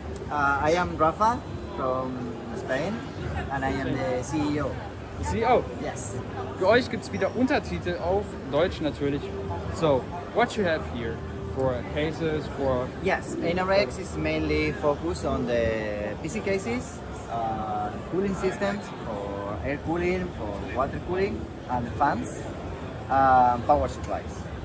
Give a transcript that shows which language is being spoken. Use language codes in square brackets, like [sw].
[en] I am Rafa from Spain and I am the CEO. The CEO? Yes. [de] Für euch gibt's wieder Untertitel auf Deutsch natürlich. [en] So, what you have here for cases, for... Yes, Einarex is mainly focused on the PC cases, cooling systems, for air cooling, for water cooling, and fans, power supplies.